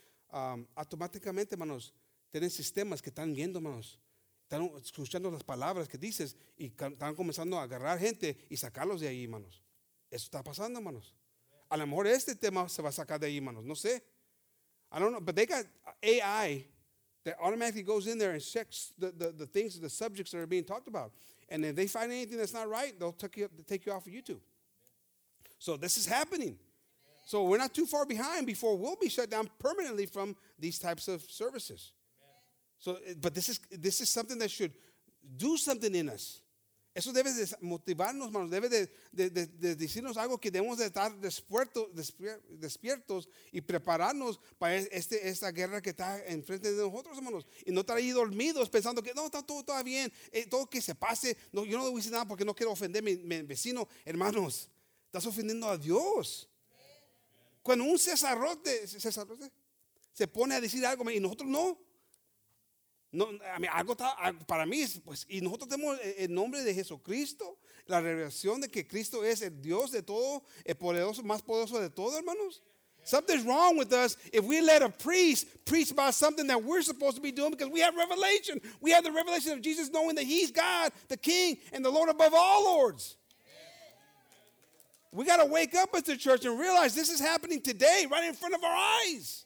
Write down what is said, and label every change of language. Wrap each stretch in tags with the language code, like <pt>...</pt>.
<es>Automáticamente, hermanos, tienen sistemas que están viendo, hermanos. Están escuchando las palabras que dices y están comenzando a agarrar gente y sacarlos de ahí, hermanos. Eso está pasando, hermanos. A lo mejor este tema se va a sacar de ahí, hermanos. No sé.</es> <en>I don't know. But they got AI that automatically goes in there and checks the things, the subjects that are being talked about. And if they find anything that's not right, they'll take you off of YouTube. So this is happening. So we're not too far behind before we'll be shut down permanently from these types of services. So, but this is something that should do something in us.</en> <es>Eso debe de motivarnos, hermanos. Debe de decirnos algo que debemos de estar despiertos y prepararnos para esta guerra que está enfrente de nosotros, hermanos. Y no estar ahí dormidos pensando que no, está todo bien, todo que se pase. No, yo no le voy a decir nada porque no quiero ofender a mi vecino. Hermanos, estás ofendiendo a Dios. Cuando un cesarrote se pone a decir algo y nosotros no. No, a mí, algo está, para mí, pues, y nosotros tenemos el nombre de Jesucristo, la revelación de que Cristo es el Dios de todo, el poderoso, más poderoso de todo, hermanos. Yeah.</es> <en>Something's wrong with us if we let a priest preach about something that we're supposed to be doing because we have revelation. We have the revelation of Jesus knowing that he's God, the King, and the Lord above all lords. Yeah. We got to wake up as the church and realize this is happening today right in front of our eyes.</en>